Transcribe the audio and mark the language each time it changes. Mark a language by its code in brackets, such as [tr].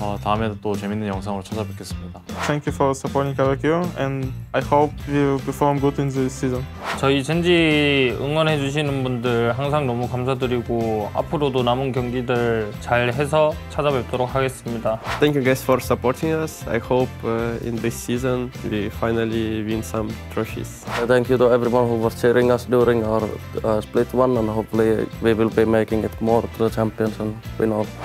[ko] 다음에도 또 재밌는 영상으로 찾아뵙겠습니다. [en] Thank you for supporting Kawakyo and I hope you perform good in this season. [ko] 저희 젠지 응원해주시는 분들 항상 너무 감사드리고 앞으로도 남은 경기들 잘해서 찾아뵙도록 하겠습니다. [en] Thank you guys for supporting us. I hope in this season we finally win some trophies. Thank you to everyone who was cheering us during our split one and hopefully we will be making it more to the champions and win all.